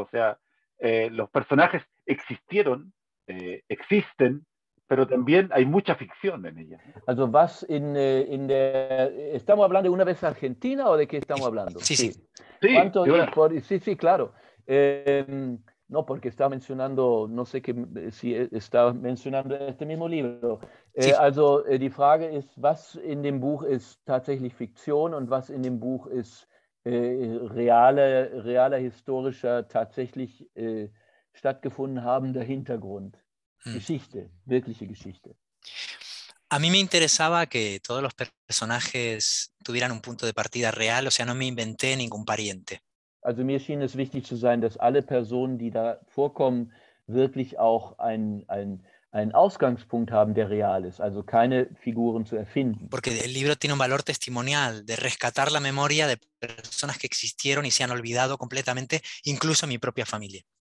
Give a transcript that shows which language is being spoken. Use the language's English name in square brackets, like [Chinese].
[Spanish] O sea, los personajes existieron, existen, pero también hay mucha ficción en ella. [German] Also, was [Spanish] ¿estamos hablando de una vez Argentina o de qué estamos hablando? Sí, claro. No, porque estaba mencionando, no sé qué, si estaba mencionando este mismo libro. Sí. [German] Also, die Frage ist, was in dem Buch ist tatsächlich Fiktion und was in dem Buch ist realer historischer tatsächlich stattgefunden habender Hintergrund, Geschichte, wirkliche Geschichte. [Spanish] A mí me interesaba que todos los personajes tuvieran un punto de partida real, o sea, no me inventé ningún pariente. [German] Also mir schien es wichtig zu sein, dass alle Personen, die da vorkommen, wirklich auch einen Ausgangspunkt haben, der real ist, also keine Figuren zu erfinden. [Spanish] Porque el libro tiene un valor testimonial de rescatar la memoria de personas que existieron y se han olvidado completamente, incluso mi propia familia.